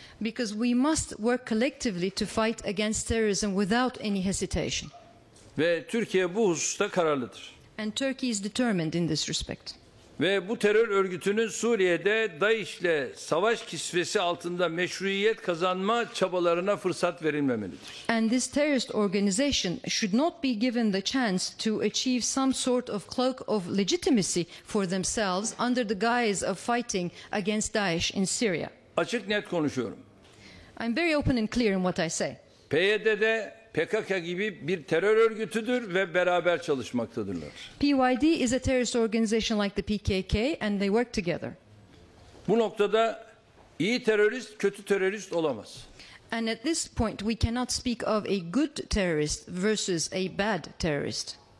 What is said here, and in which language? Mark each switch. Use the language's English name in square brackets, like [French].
[English] Because we must work collectively to fight against terrorism without any hesitation. [Turkish] Ve Türkiye bu hususta kararlıdır. [English] And Turkey is determined in this respect. [Turkish] Ve bu terör örgütünün Suriye'de DAEŞ'le savaş kisvesi altında meşruiyet kazanma çabalarına fırsat verilmemelidir. [English] And this terrorist organization should not be given the chance to achieve some sort of cloak of legitimacy for themselves under the guise of fighting against DAEŞ in Syria. [Turkish] Açık net konuşuyorum. [English] I'm very open and clear in what I say. [Turkish] PYD'de PKK gibi bir terör örgütüdür ve beraber çalışmaktadırlar. [English] PYD is a terrorist organization like the PKK and they work together. [Turkish] Bu noktada iyi terörist, kötü terörist olamaz. [English] And at this point we cannot speak of a good terrorist versus a bad terrorist.